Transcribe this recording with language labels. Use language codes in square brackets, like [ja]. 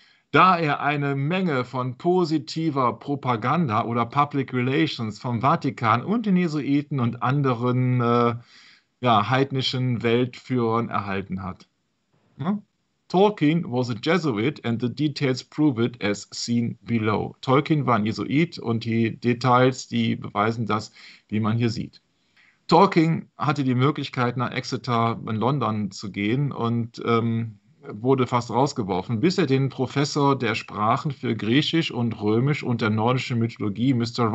[de] Da er eine Menge von positiver Propaganda oder Public Relations vom Vatikan und den Jesuiten und anderen heidnischen Weltführern erhalten hat. Hm? [en] Tolkien was a Jesuit and the details prove it as seen below. [de] Tolkien war ein Jesuit und die Details, die beweisen das, wie man hier sieht. Tolkien hatte die Möglichkeit, nach Exeter in London zu gehen und wurde fast rausgeworfen, bis er den Professor der Sprachen für Griechisch und Römisch und der nordischen Mythologie, Mr.